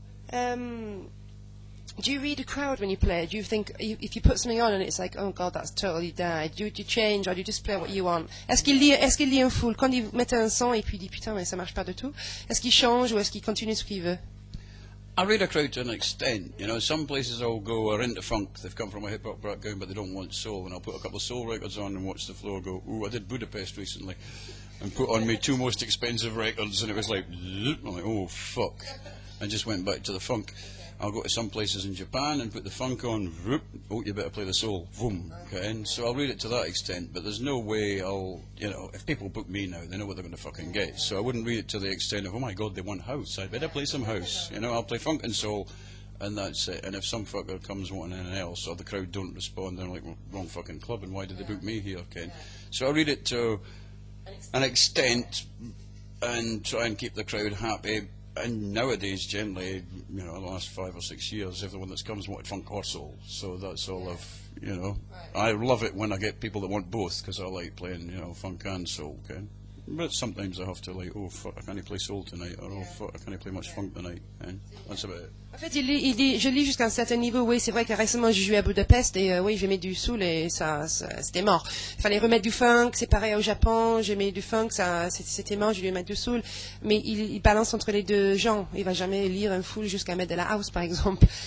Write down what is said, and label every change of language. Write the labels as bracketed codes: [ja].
[en] Do you read a crowd when you play? Do you think, if you put something on and it's like, oh God, that's totally died, do you change or do you just play what you want? [fr] Est-ce qu'il lit un full? Quand il mettait un son et puis il dit, putain, mais ça marche pas du tout, est-ce qu'il change ou est-ce qu'il continue ce qu'il veut? [en] I read a crowd to an extent. You know, some places I'll go are into funk. They've come from a hip hop background, but they don't want soul. And I'll put a couple of soul records on and watch the floor go, ooh, I did Budapest recently and put on me two most expensive records. And it was like, I'm like, oh, fuck. And just went back to the funk. I'll go to some places in Japan and put the funk on, whoop, oh, you better play the soul, boom. Okay. So I'll read it to that extent, but there's no way I'll, you know, if people book me now, they know what they're going to fucking get. So I wouldn't read it to the extent of, oh my God, they want house, I better play some house. You know, I'll play funk and soul, and that's it. And if some fucker comes wanting anything else, or the crowd don't respond, they're like, well, wrong fucking club, and why did they book me here, Ken? So I'll read it to an extent, and try and keep the crowd happy. And nowadays, generally, you know, the last 5 or 6 years, everyone that's comes wanted funk or soul. So that's all you know. Right. I love it when I get people that want both, because I like playing, you know, funk and soul, okay? But sometimes I have to, like, oh, fuck, I can't play soul tonight, or oh, fuck, I can't play much funk tonight, and that's about it. [fr] En fait, il dit, je lis jusqu'à un certain niveau, oui, c'est vrai que récemment, j'ai joué à Budapest, et oui, j'ai mis du soul, et ça c'était mort. Il fallait remettre du funk, c'est pareil au Japon, j'ai mis du funk, ça c'était mort, j'ai dû mettre du soul. Mais il balance entre les deux gens, il va jamais lire un full jusqu'à mettre de la house, par exemple.